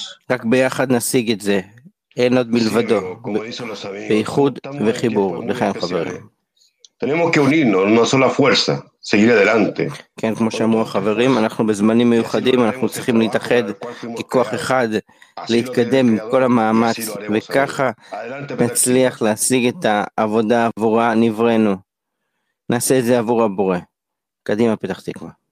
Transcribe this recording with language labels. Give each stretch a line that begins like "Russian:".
Hebrew: רק ביחד נשיג את זה, אין עוד מלבדו, באיחוד וחיבור. לכן חברים,
Spanish: tenemos que unirnos, no solo la fuerza, seguir adelante.
Hebrew: כן, כמו שאמרו החברים, אנחנו בזמנים מיוחדים, אנחנו צריכים להתאחד ככוח אחד, להתקדם עם כל המאמץ, וככה נצליח להשיג את העבודה עבורה נברנו. נעשה את זה עבור הבורא. קדימה, פתח תקווה.